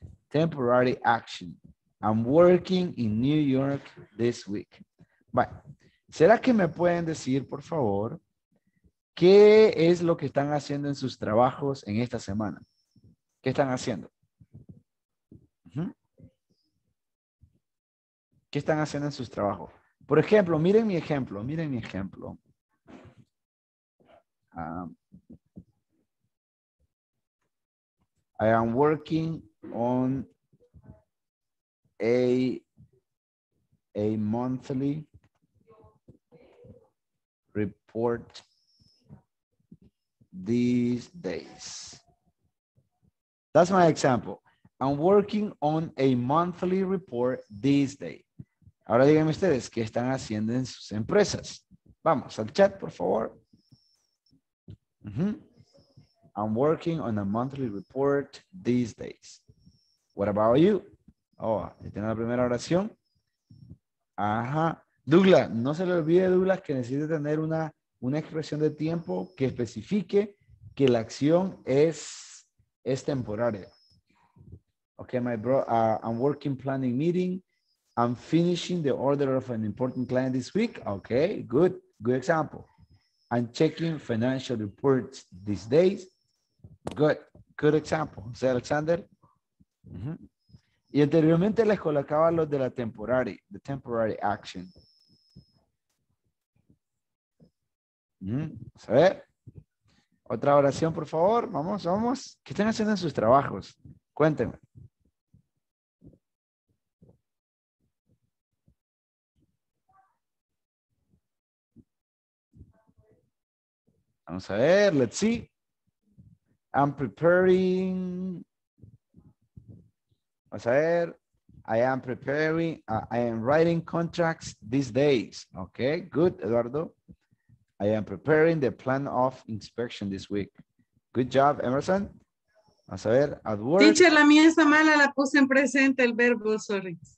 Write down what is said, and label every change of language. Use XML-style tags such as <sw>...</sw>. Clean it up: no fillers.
<en>Temporary action. I'm working in New York this week. Bye.</en> <es>¿Será que me pueden decir, por favor, qué es lo que están haciendo en sus trabajos en esta semana? ¿Qué están haciendo? ¿Qué están haciendo en sus trabajos? Por ejemplo, miren mi ejemplo, miren mi ejemplo.</es> <en>I am working on a monthly report these days. That's my example. I'm working on a monthly report these days.</en> <es>Ahora díganme ustedes, ¿qué están haciendo en sus empresas? Vamos al chat, por favor.</es> <en>I'm working on a monthly report these days. What about you? Oh,</en> <es>tiene la primera oración.</es> <en>Ajá.</en> <es>Douglas, no se le olvide, Douglas, que necesita tener una expresión de tiempo que especifique que la acción es temporaria.</es> <en>Okay, my bro, I'm working planning meeting. I'm finishing the order of an important client this week. Okay, good. Good example. I'm checking financial reports these days. Good. Good example. Say, Alexander. Mm-hmm.</en> <es>Y anteriormente les colocaba los de la temporary,</es> <en>the temporary action.</en> <es>A ver. Otra oración, por favor. Vamos, vamos. ¿Qué están haciendo en sus trabajos? Cuéntenme. Vamos a ver,</es> <en>let's see. I'm preparing.</en> <es>Vamos a ver.</es> <en>I am preparing. I am writing contracts these days. Okay, good, Eduardo. I am preparing the plan of inspection this week. Good job, Emerson.</en> <es>Vamos a ver,</es> <en>at work.</en> <es>Teacher, la mía está mala, la puse en presente el verbo, sorry.</es>